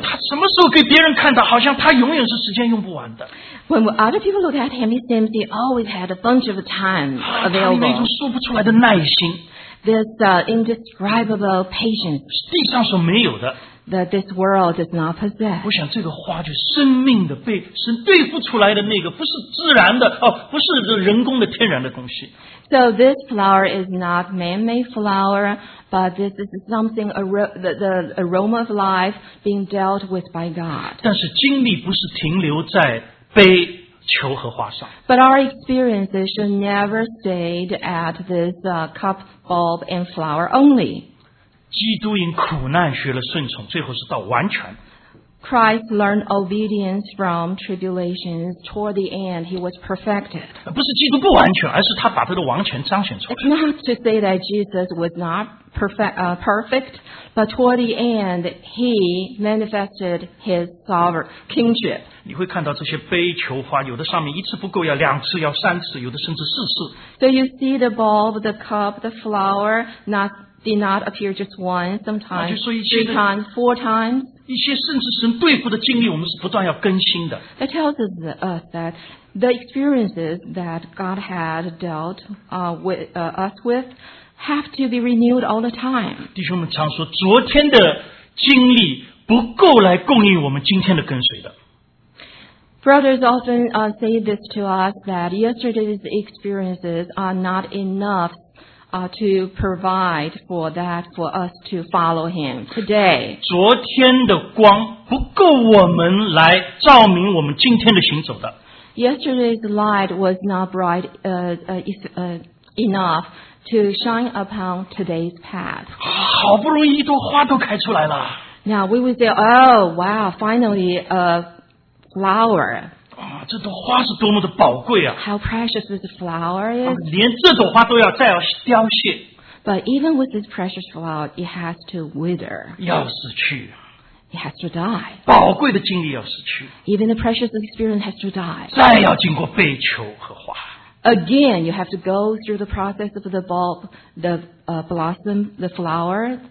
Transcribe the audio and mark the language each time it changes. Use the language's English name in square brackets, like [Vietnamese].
[Chinese] 他什么时候给别人看到，好像他永远是时间用不完的。 [English] When other people look at him, he seems he always had a bunch of time available. [Chinese] 他有一种说不出来的耐心。 [English] This indescribable patience. [Chinese] 地上所没有的。 [English] That this world does not possess. [Chinese] 我想这个花就生命的被神对付出来的那个不是自然的、哦、不是人工的天然的东西。 [English] So this flower is not man-made flower, but this is something the aroma of life being dealt with by God. [Chinese] 但是精力不是停留在杯球和花上。 [English] But our experiences should never stay at this cup, bulb, and flower only. [Chinese] 基督因苦难学了顺从，最后是到完全。 [English] Christ learned obedience from tribulations. Toward the end, he was perfected. [Chinese] 不是基督不完全，而是他把他的完全彰显出来。 [English] It's not to say that Jesus was not perfect, but toward the end, he manifested his sovereign kingship. [Chinese] 你会看到这些杯球花，有的上面一次不够，要两次，要三次，有的甚至四次。 [English] So you see the bulb, the cup, the flower, not. Did not appear just one, sometimes, three times, four times. [Chinese] 一些甚至神对付的经历，我们是不断要更新的。 [English] That tells us that the experiences that God had dealt with us with have to be renewed all the time. [Chinese] 弟兄们常说，昨天的经历不够来供应我们今天的跟随的。 [English] Brothers often say this to us that yesterday's experiences are not enough. To provide for that for us to follow him today. [Chinese] 昨天的光不够我们来照明我们今天的行走的。 [English] Yesterday's light was not bright enough to shine upon today's path. [Chinese] 好不容易一朵花都开出来了。 [English] Now we would say, oh wow, finally a flower. [Chinese] 这朵花是多么的宝贵啊 [English] How precious this flower is. [Chinese] 连这朵花都要再要凋谢 [English] But even with this precious flower, it has to wither. [Chinese] 要死去 [English] It has to die. [Chinese] 宝贵的经历要死去 [English] Even the precious experience has to die. [Chinese] 再要经过杯球和花 [English] Again, you have to go through the process of the bulb, the blossom, the flower.